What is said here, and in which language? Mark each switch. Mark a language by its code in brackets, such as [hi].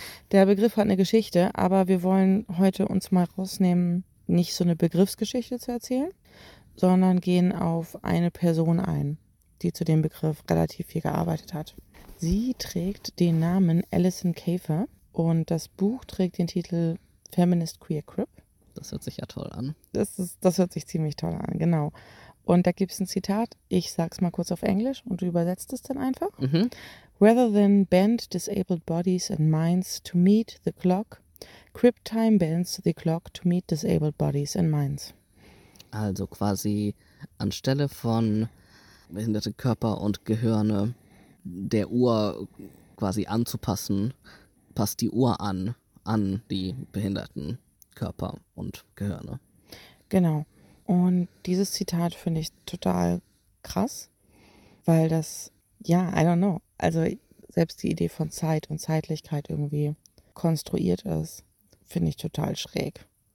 [de] Der Begriff hat eine Geschichte, aber wir wollen heute uns mal rausnehmen, nicht so eine Begriffsgeschichte zu erzählen, sondern gehen auf eine Person ein, die zu dem Begriff relativ viel gearbeitet hat. Sie trägt den Namen Allison Kafer und das Buch trägt den Titel Feminist Queer Crip. Das hört sich ja toll an. Das hört sich ziemlich toll an, genau. Und da gibt es ein Zitat, ich sag's mal kurz auf Englisch und du übersetzt es dann einfach. [en] Rather than bend disabled bodies and minds to meet the clock, Crip Time bends the clock to meet disabled bodies and minds. [de] Also quasi anstelle von behinderte Körper und Gehirne der Uhr quasi anzupassen, passt die Uhr an die behinderten Körper und Gehirne. Genau. Und dieses Zitat finde ich total krass, weil das, [en] I don't know, [de] also selbst die Idee von Zeit und Zeitlichkeit irgendwie konstruiert ist, finde ich total schräg.